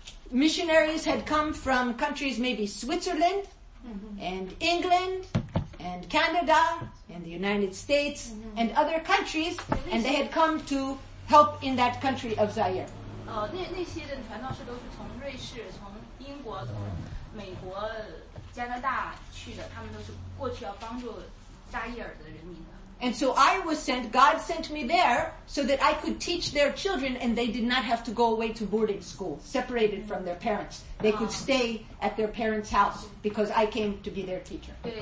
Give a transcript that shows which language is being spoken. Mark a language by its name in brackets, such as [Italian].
[English] Missionaries had come from countries maybe Switzerland and England and Canada and the United States and other countries, and they had come to help in that country of Zaire. [Chinese] 那些的传道士都是从瑞士、从英国、从美国、加拿大去的，他们都是过去要帮助扎伊尔的人民的。 [English] And so I was sent, God sent me there so that I could teach their children and they did not have to go away to boarding school, separated from their parents. They could stay at their parents' house because I came to be their teacher.